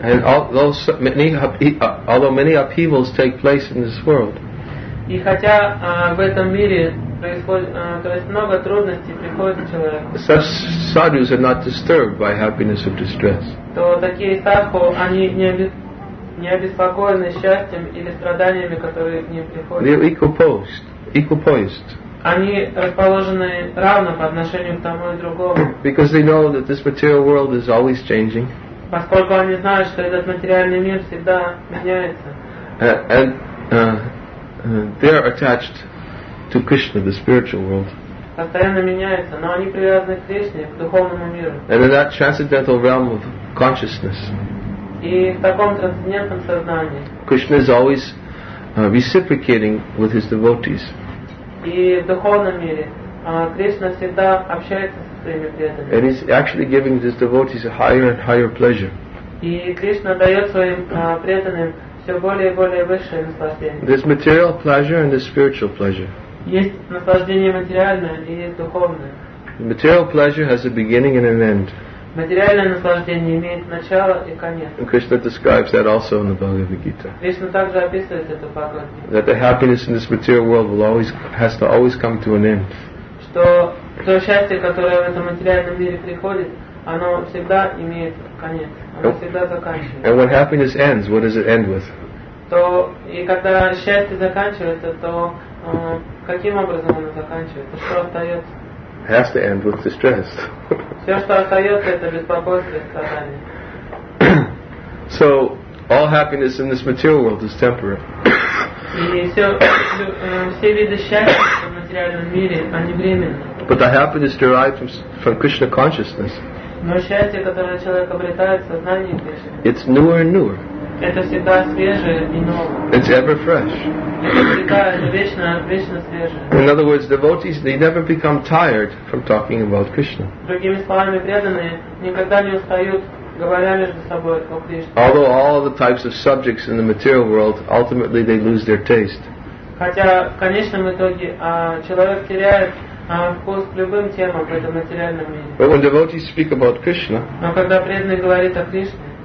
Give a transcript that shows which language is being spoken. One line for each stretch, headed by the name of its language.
English: And although many upheavals take place in this world.
Russian: И хотя в этом мире то есть много трудностей приходит человеку.
English: Such sadhus are not disturbed by happiness or distress.
Russian: То такие садху, они не обеспокоены счастьем или страданиями, которые к ним приходят.
English: Equal-poised.
Russian: Они расположены равно по отношению к тому и другому.
English: Because they know that this material world is always changing.
Russian: Поскольку они знают, что этот материальный мир всегда меняется.
English: They are attached to Krishna, the spiritual world.
Russian: Постоянно меняются, но они привязаны к Кришне, к духовному миру.
English: And in that transcendental realm of consciousness.
Russian: И в таком трансцендентном сознании.
English: Krishna is always reciprocating with his devotees.
Russian: И в духовном мире Кришна всегда общается со своими преданными.
English: And he's actually giving his devotees a higher and higher pleasure.
Russian: И Кришна дает своим преданным все более и более высшее наслаждение.
English: There's material pleasure and there's spiritual pleasure.
Russian: Есть наслаждение материальное и духовное.
English: The material pleasure has a beginning and an end.
Russian: Материальное наслаждение имеет начало и конец.
English: And Krishna describes that also in the Bhagavad Gita.
Russian: Кришна также описывает это в Бхагавад Гите.
English: That the happiness in this material world has to always come to an end.
Russian: Что то счастье, которое в этом материальном мире приходит, оно всегда имеет конец. Оно всегда заканчивается.
English: And when happiness ends, what does it end with?
Russian: То и когда счастье заканчивается, то каким образом оно заканчивается? Что остается?
English: Has to end with distress.
Russian: Все, что остается, это беспокойство и страдание.
English: So all happiness in this material world is temporary.
Russian: И все виды счастья в материальном мире, они временные.
English: But the happiness derived from Krishna consciousness.
Russian: Но счастье, которое человек обретает в сознании Кришны.
English: It's newer and newer.
Russian: Это всегда свежее и новое.
English: It's ever fresh. In other words, devotees, they never become tired from talking about Krishna.
Russian: Другими словами, преданные никогда не устают, говоря между собой о Кришне.
English: Although all the types of subjects in the material world, ultimately they lose their taste.
Russian: Хотя в конечном итоге человек теряет вкус к любым темам в этом материальном мире.
English: But when devotees speak about Krishna,
Russian: но когда преданный говорит о Кришне,